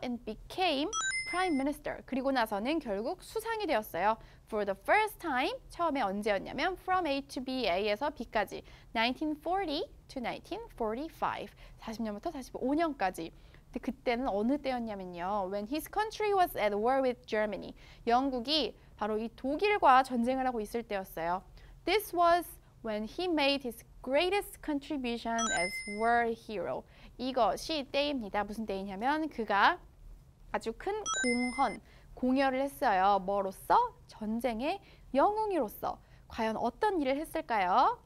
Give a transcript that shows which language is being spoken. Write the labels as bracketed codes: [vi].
[en] And became prime minister. [ko] 그리고 나서는 결국 수상이 되었어요. [en] For the first time, [ko] 처음에 언제였냐면 [en] from A to B, [ko] A에서 B까지. [en] 1940 to 1945. [ko] 40년부터 45년까지. 근데 그때는 어느 때였냐면요. [en] When his country was at war with Germany. [ko] 영국이 바로 이 독일과 전쟁을 하고 있을 때였어요. [en] This was when he made his greatest contribution as war hero. [ko] 이것이 때입니다. 무슨 때이냐면 그가 아주 큰 공헌, 공여를 했어요. 뭐로서? 전쟁의 영웅이로서. 과연 어떤 일을 했을까요?